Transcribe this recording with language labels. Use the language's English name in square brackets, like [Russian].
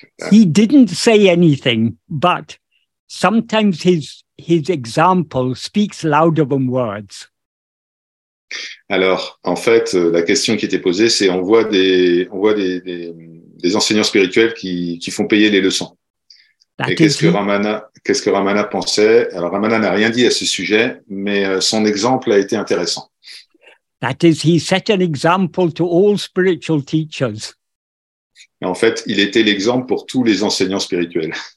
[English] He didn't say anything, but sometimes his example speaks louder than words. [French] Alors, en fait, la question qui était posée, c'est on voit des enseignants spirituels qui font payer les leçons. Qu'est-ce que Ramana pensait? Alors, Ramana n'a rien dit à ce sujet, mais son exemple a été intéressant. [English] That is, he set an example to all spiritual teachers. [French] Et en fait, il était l'exemple pour tous les enseignants spirituels.